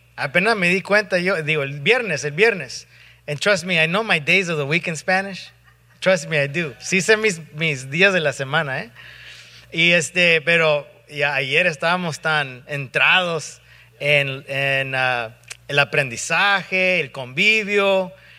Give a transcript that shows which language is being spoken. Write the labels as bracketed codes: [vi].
[es] Apenas me di cuenta yo, digo, el viernes. [en] And trust me, I know my days of the week in Spanish. Trust me, I do. [es] Sí sé mis días de la semana, ¿eh? Y este, pero ya ayer estábamos tan entrados el aprendizaje, el convivio.